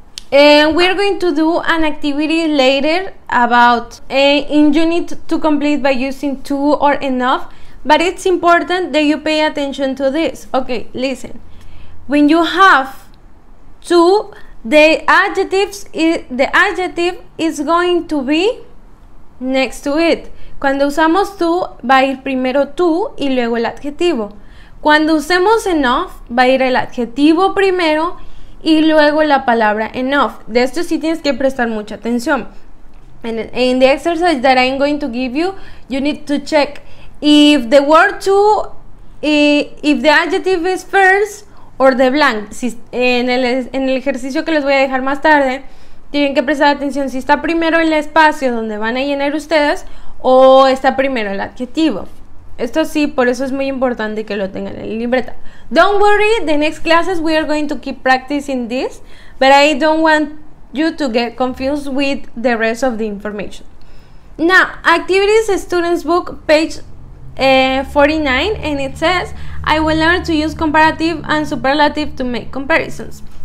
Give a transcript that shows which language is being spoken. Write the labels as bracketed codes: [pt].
[en] We're going to do an activity later about in you need to complete by using two or enough. But it's important that you pay attention to this. Okay, listen. When you have two, the adjective is going to be next to it. [es] Cuando usamos two, va a ir primero two y luego el adjetivo. Cuando usemos enough, va a ir el adjetivo primero y luego la palabra enough. De esto sí tienes que prestar mucha atención. [en] In the exercise that I'm going to give you, you need to check if the word to, if the adjective is first or the blank. [es] Si, en el ejercicio que les voy a dejar más tarde, tienen que prestar atención si está primero el espacio donde van a llenar ustedes o está primero el adjetivo. Esto sí, por eso es muy importante que lo tengan en la libreta. [en] Don't worry, the next classes we are going to keep practicing this, but I don't want you to get confused with the rest of the information. Now, activities, students book, page 49, and it says I will learn to use comparative and superlative to make comparisons.